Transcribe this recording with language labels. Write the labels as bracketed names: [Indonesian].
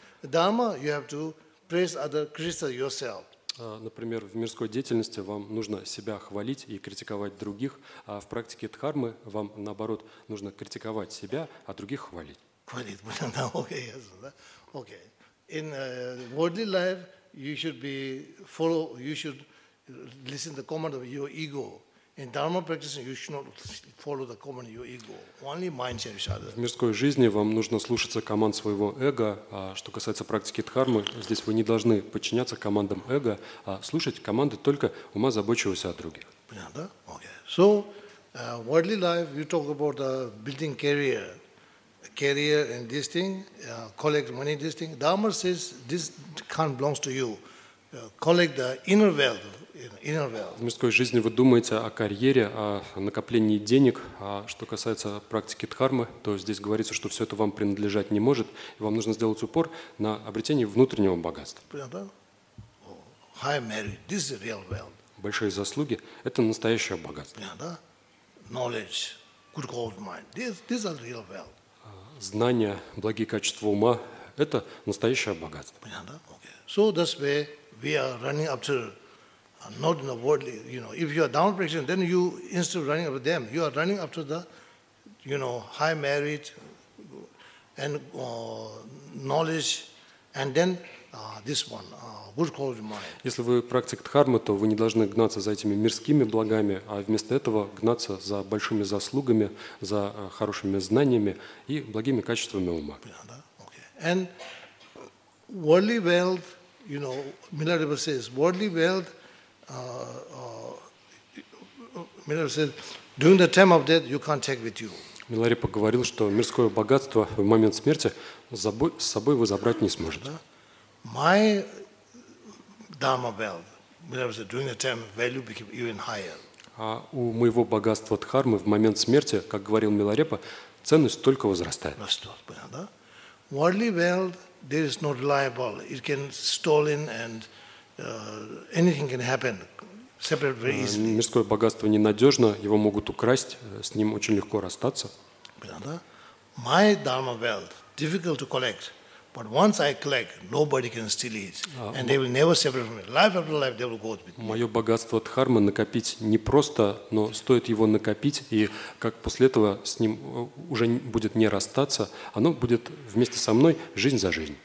[English] Dharma, you have to praise other, criticize yourself. [Russian] Например, в мирской деятельности вам нужно себя хвалить и критиковать других, а в практике дхармы вам, наоборот, нужно критиковать себя, а других хвалить. Хвалить, понятно, да, окей, ясно, да, окей. [English] In worldly life, you should be follow, you should listen to the command of your ego. In dharma practice, you should not follow the command of your ego. Only mind share each other. [Russian] В мирской жизни вам нужно слушаться команд своего эго. Что касается практики дхармы, здесь вы не должны подчиняться командам эго, а слушать команды только ума, заботящегося о других. Понятно, да? Okay. [English] So, worldly life, you talk about building career. Career and this thing, collect money, this thing. Dharma says this can't belong to you. collect the inner wealth, inner wealth. [Russian] В мирской жизни вы думаете о карьере, о накоплении денег, а что касается практики дхармы, то здесь говорится, что все это вам принадлежать не может, и вам нужно сделать упор на обретении внутреннего богатства. [English] Yeah, high merit, this is real wealth. [Russian] Большие заслуги – это настоящее богатство. [English] Yeah, knowledge, good gold mine, this is real wealth. [Russian] Знания, благие качества ума – это настоящее богатство. [English] Yeah, okay. So that's why we are running after not in the worldly, you know. If you are down practicing, then you, instead of running after them, you are running after the, you know, high merit and knowledge, and then this one, good quality mind. [Russian] Если вы практик дхармы, то вы не должны гнаться за этими мирскими благами, а вместо этого гнаться за большими заслугами, за хорошими знаниями и благими качествами ума. Okay. [English] And worldly wealth, you know, Milarepa says, worldly wealth, Milarepa says, during the time of death, you can't take with you. [Russian] Milarepa говорил, что мирское богатство в момент смерти с собой вы забрать не сможете. [English] My dharma wealth, Milarepa said, during the time, value became even higher. [Russian] А у моего богатства дхармы в момент смерти, как говорил Milarepa, ценность только возрастает. Растет, да? [English] Worldly wealth, there is not reliable. It can stolen and anything can happen. Separate very easily. [Russian] Мирское богатство ненадежно, его могут украсть, с ним очень легко расстаться. [English] Да? My dharma wealth, difficult to collect. But once I collect, nobody can steal it, and they will never separate from me. Life after life, they will go with me. [Russian] Мое богатство дхармы накопить не просто, но стоит его накопить, и как после этого с ним уже будет не расстаться, оно будет вместе со мной жизнь за жизнь.